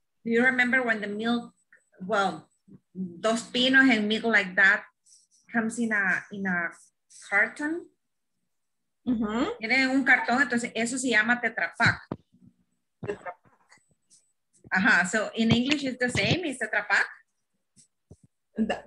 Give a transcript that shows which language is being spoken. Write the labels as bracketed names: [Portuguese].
[English] Do you remember when the milk, well, those pinos and milk like that comes in a carton? Mm-hmm. [Spanish] Tiene un cartón, entonces eso se llama Tetra Pak. Tetra Pak. Uh-huh. [English] So in English, it's the same, it's Tetra Pak?